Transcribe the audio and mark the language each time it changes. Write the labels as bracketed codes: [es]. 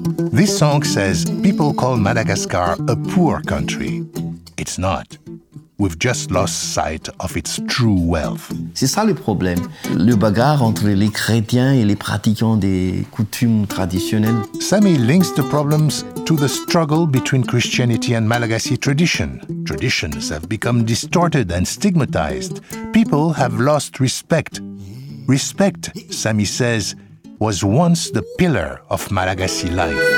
[en] this song says people call Madagascar a poor country. It's not. We've just lost sight of its true wealth. [fr] C'est ça le problème, le bagarre entre les chrétiens et les pratiquants des coutumes traditionnelles. [en] Sami links the problems to the struggle between Christianity and Malagasy tradition. Traditions have become distorted and stigmatized. People have lost respect. Respect, Sami says, was once the pillar of Malagasy life.